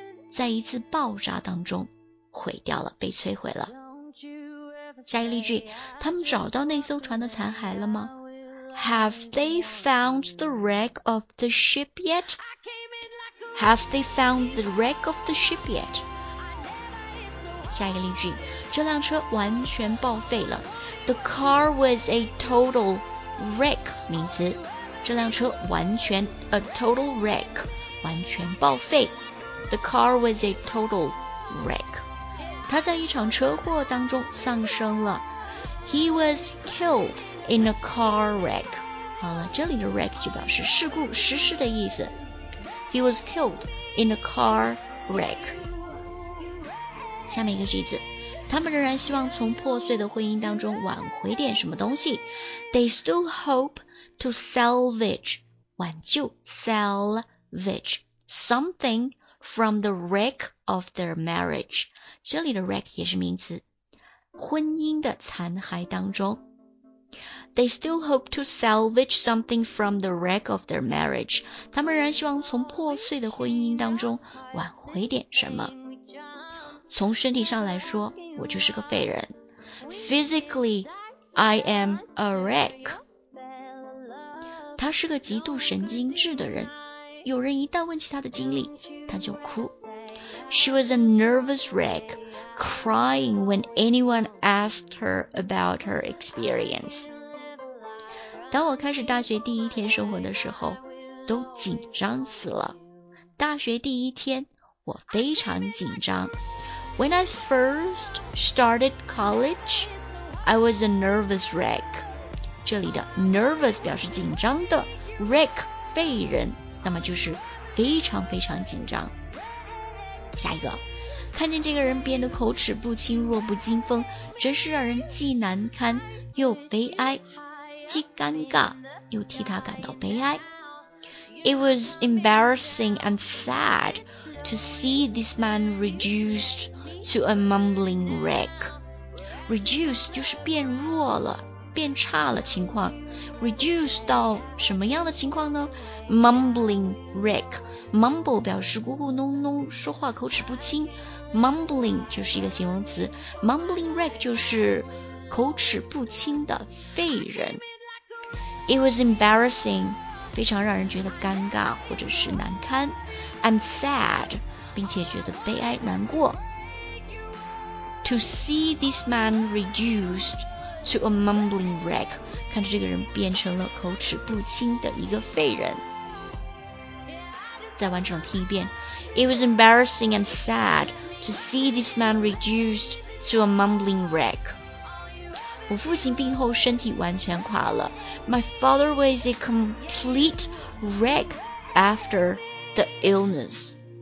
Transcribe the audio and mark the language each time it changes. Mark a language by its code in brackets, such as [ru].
[zh] 在一次爆炸当中毁掉了，被摧毁了。下一个例句，他们找到那艘船的残骸了吗？ [en] Have they found the wreck of the ship yet? Have they found the wreck of the ship yet? [zh] 下一个例句，这辆车完全报废了。 [en] The car was a total wreck [zh] 名词，这辆车完全 [en] a total wreck [zh] 完全报废。 [en] The car was a total wreck. [zh] 他在一场车祸当中丧生了。 [en] He was killed in a car wreck. [zh] 好了，这里的 wreck 就表示事故、失事的意思。 [en] He was killed in a car wreck. [zh] 下面一个句子，他们仍然希望从破碎的婚姻当中挽回点什么东西。 [en] They still hope to salvage, 挽救 salvage something. From the wreck of their marriage. [zh] 这里的 wreck 也是名词，婚姻的残骸当中。 [en] They still hope to salvage something from the wreck of their marriage. [zh] 他们仍然希望从破碎的婚姻当中挽回点什么。从身体上来说，我就是个废人。 [en] Physically, I am a wreck. [zh] 他是个极度神经质的人，有人一旦问起她的经历，她就哭。 [en] She was a nervous wreck, crying when anyone asked her about her experience. [zh] 当我开始大学第一天生活的时候，都紧张死了。大学第一天，我非常紧张。 [en] When I first started college, I was a nervous wreck. [zh] 这里的 nervous 表示紧张的 ，wreck 废人。那么就是非常非常紧张。下一个，看见这个人变得口齿不清，弱不禁风，真是让人既难堪又悲哀，既尴尬又替他感到悲哀。 [en] It was embarrassing and sad to see this man reduced to a mumbling wreck. [zh] Reduced 就是变弱了，变差了情况。 Reduce 到什么样的情况呢？Mumbling wreck， Mumble 表示咕咕哝哝，说话口齿不清。 Mumbling 就是一个形容词， Mumbling wreck 就是口齿不清的废人。 [en] It was embarrassing， [zh] 非常让人觉得尴尬或者是难堪。 [en] I'm sad， [zh] 并且觉得悲哀难过。 [en] To see this man reduced to a mumbling wreck， [zh] 看着这个人变成了口齿不清的一个废人。再完整听一遍。 [en] It was embarrassing and sad to see this man reduced to a mumbling wreck。 [zh] 我父亲病后身体完全垮了。 [en] My father was a complete wreck after the illness。